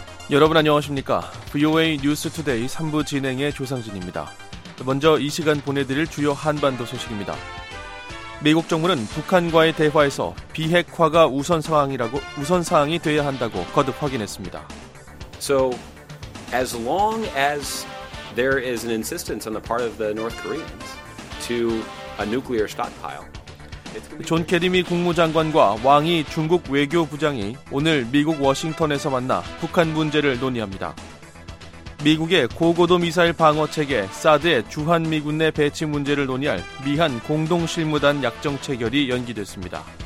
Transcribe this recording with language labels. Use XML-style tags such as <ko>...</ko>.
<ko>여러분 안녕하십니까? VOA News Today 3부 진행의 조상진입니다. 먼저 이 시간 보내드릴 주요 한반도 소식입니다. 미국 정부는 북한과의 대화에서 비핵화가 우선 사항이 되어야 한다고 거듭 확인했습니다.</ko> <en>So as long as there is an insistence on the part of the North Koreans to a nuclear stockpile.</en> <ko>존 케리 미 국무장관과 왕이 중국 외교부장이 오늘 미국 워싱턴에서 만나 북한 문제를 논의합니다. 미국의 고고도 미사일 방어체계 사드의 주한미군 내 배치 문제를 논의할 미한 공동실무단 약정 체결이 연기됐습니다.</ko>